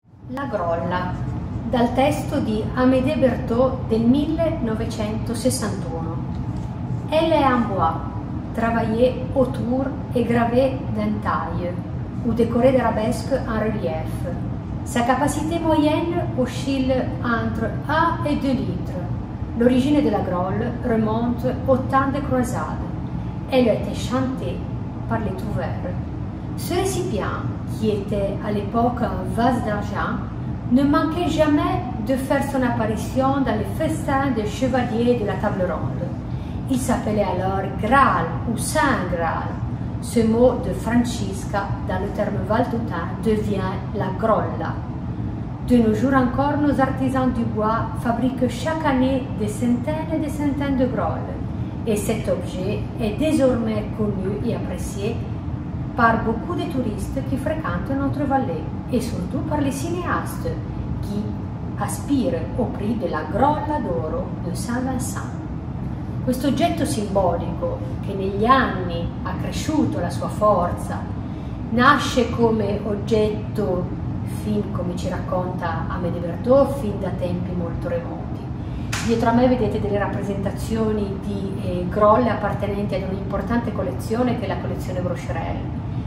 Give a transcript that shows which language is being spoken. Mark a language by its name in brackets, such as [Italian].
[Italian] La Grolla, dal testo di Amédée Berthaud del 1961. [French] Elle est en bois, travaillée autour et gravée d'entailles, ou décorée d'arabesques en relief. Sa capacité moyenne oscille entre 1 et 2 litres. L'origine de la Grolle remonte au temps des croisades. Elle était chantée par les trouvères. Ce récipient, qui était à l'époque un vase d'argent, ne manquait jamais de faire son apparition dans les festins des chevaliers de la table ronde. Il s'appelait alors Graal ou Saint Graal. Ce mot de Francisca, dans le terme valdôtain, devient la Grolla. De nos jours encore, nos artisans du bois fabriquent chaque année des centaines et des centaines de grolles. Et cet objet est désormais connu et apprécié par beaucoup de touristes qui fréquentent notre vallée et surtout par les cinéastes qui aspirent au prix della Grolla d'oro de Saint-Vincent. [Italian] Questo oggetto simbolico, che negli anni ha cresciuto la sua forza, nasce come oggetto, fin come ci racconta Amédée Berthaud, fin da tempi molto remoti. Dietro a me vedete delle rappresentazioni di grolle appartenenti ad un'importante collezione che è la collezione Brocherelli.